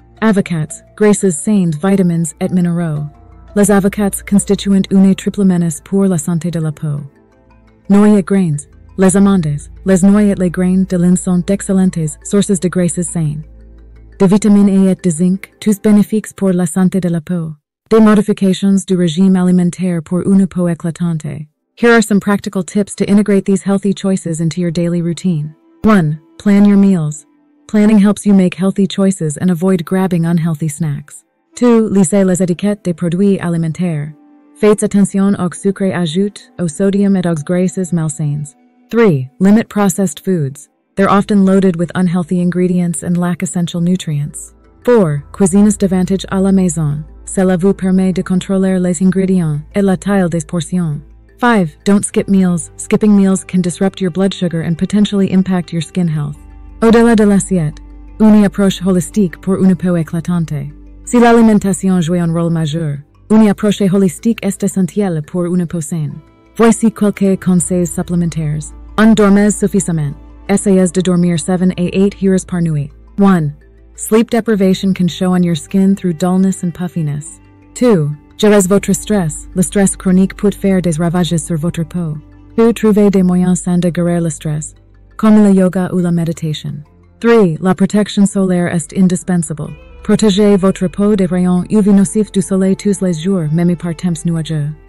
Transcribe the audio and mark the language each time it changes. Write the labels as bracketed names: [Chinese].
[French] Avocats, graisses saines, vitamins et minéraux. Les avocats constituent une triple menace pour la santé de la peau. Noix et grains. Les amandes, les noix et les grains de lin sont d'excellentes sources de graisses saines. De vitamine A et de zinc, tous bénéfiques pour la santé de la peau. Des modifications du régime alimentaire pour une peau éclatante. [English] Here are some practical tips to integrate these healthy choices into your daily routine. 1. Plan your meals. Planning helps you make healthy choices and avoid grabbing unhealthy snacks. [French] 2. Lisez les étiquettes des produits alimentaires. Faites attention aux sucres ajoutés, au sodium et aux graisses malsaines. [English] 3. Limit processed foods. They're often loaded with unhealthy ingredients and lack essential nutrients. [French] 4. Cuisines d'avantage à la maison. Cela vous permet de contrôler les ingrédients et la taille des portions. [English] 5. Don't skip meals. Skipping meals can disrupt your blood sugar and potentially impact your skin health. [French] Au-delà de l'assiette, une approche holistique pour une peau éclatante. Si l'alimentation joue un rôle majeur, une approche holistique est essentielle pour une peau saine. Voici quelques conseils supplémentaires. Dormez suffisamment. Essayez de dormir 7 à 8 heures par nuit. 1. [English] Sleep deprivation can show on your skin through dullness and puffiness. [French] 2. Gérez votre stress. Le stress chronique peut faire des ravages sur votre peau. 2. Trouvez des moyens sains de gérer le stress, comme le yoga ou la méditation. 3. La protection solaire est indispensable. Protégez votre peau des rayons UV nocifs du soleil tous les jours, même par temps nuageux.